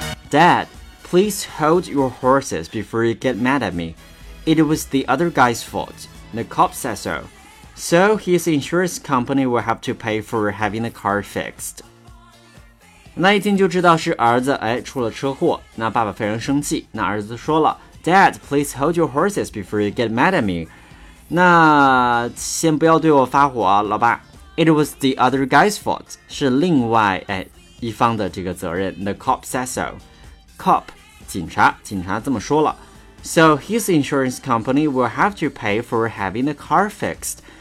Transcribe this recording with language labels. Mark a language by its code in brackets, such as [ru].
[en] Dad, please hold your horses before you get mad at me. It was the other guy's fault. The cop said soSo his insurance company will have to pay for having the car fixed. [zh] 那一听就知道是儿子出了车祸，那爸爸非常生气。那儿子说了 [en] ，Dad, please hold your horses before you get mad at me. [zh] 那先不要对我发火啊，老爸。 [en] It was the other guy's fault. [zh] 是另外一方的这个责任。 [en] The cop said so. Cop, [zh] 警察，警察这么说了。 [en] So his insurance company will have to pay for having the car fixed.